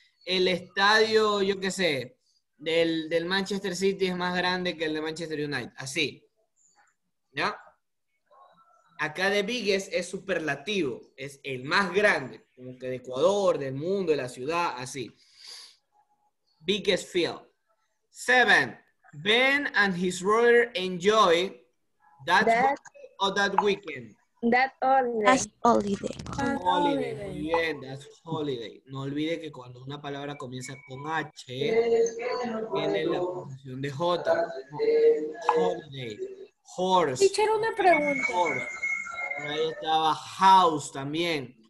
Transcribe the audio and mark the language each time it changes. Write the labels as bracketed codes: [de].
[es] El estadio, yo qué sé, del Manchester City es más grande que el de Manchester United. Así. ¿Ya? Acá de Biggest es superlativo. Es el más grande. Como que de Ecuador, del mundo, de la ciudad, así. [en] Biggest field. Seven. Ben and his brother enjoy that holiday or that weekend. That's holiday. [es] Muy bien, [en] that's holiday. [es] No olvide que cuando una palabra comienza con H, tiene la posición de J. [en] Holiday. Horse. [es] Teacher, una pregunta. Horse. Ahí estaba house también.